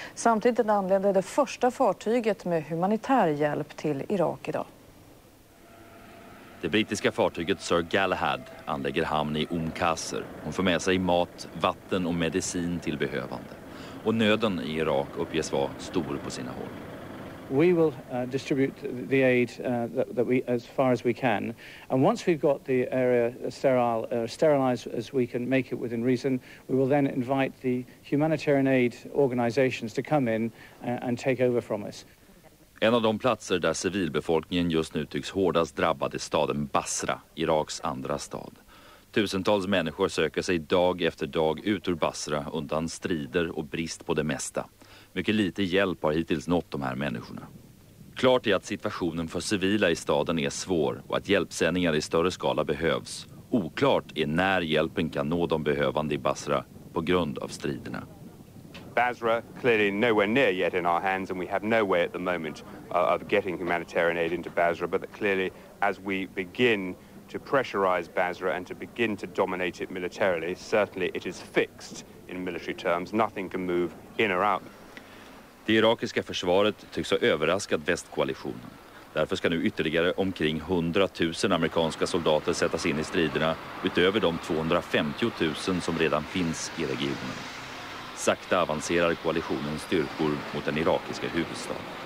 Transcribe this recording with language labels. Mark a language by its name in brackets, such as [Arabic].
[Swedish] Samtidigt anlände det första fartyget med humanitär hjälp till Irak idag. Det brittiska fartyget Sir Galahad anlägger hamn i Umm Qasr. Hon får med sig mat, vatten och medicin till behövande. Och nöden i Irak uppges vara stor på sina håll. [English] We will distribute the aid that we as far as we can, and once we've got the area sterilized as we can make it within reason, we will then invite the humanitarian aid organizations to come in and take over from us. [Swedish] En av de platser där civilbefolkningen just nu tycks hårdast drabbad är staden Basra, Iraks andra stad. Tusentals människor söker sig dag efter dag ut ur Basra undan strider och brist på det mesta. Mycket lite hjälp har hittills nått de här människorna. Klart är att situationen för civila i staden är svår och att hjälpsändningar i större skala behövs Oklart är när hjälpen kan nå de behövande i Basra på grund av striderna. [English] Basra clearly nowhere near yet in our hands, and we have no way at the moment of getting humanitarian aid into Basra, but that clearly as we begin to pressurize Basra and to begin to dominate it militarily, certainly it is fixed in military terms. Nothing can move in or out. [Swedish] Det irakiska försvaret tycks ha överraskat västkoalitionen. Därför ska nu ytterligare omkring 100 000 amerikanska soldater sättas in i striderna utöver de 250 000 som redan finns i regionen. Sakta avancerar koalitionens styrkor mot den irakiska huvudstaden.